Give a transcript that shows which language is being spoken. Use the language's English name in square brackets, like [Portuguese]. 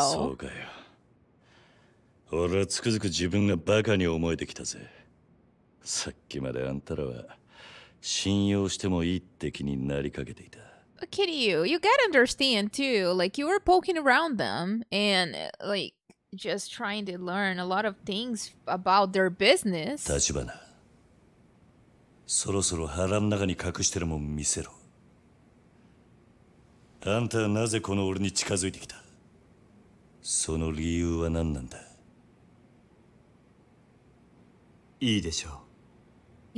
[Japanese] そうかよ。俺はつくづく自分がバカに思えてきたぜ。さっきまであんたらは信用してもいいって気になりかけていた。 [English] Kiryu, you gotta understand too. Like you were poking around them and like just trying to learn a lot of things about their business. [Japanese] 立花。そろそろ腹の中に隠してるもん見せろ。あんたはなぜこの俺に近づいてきた? その理由は何なんだ? いいでしょう。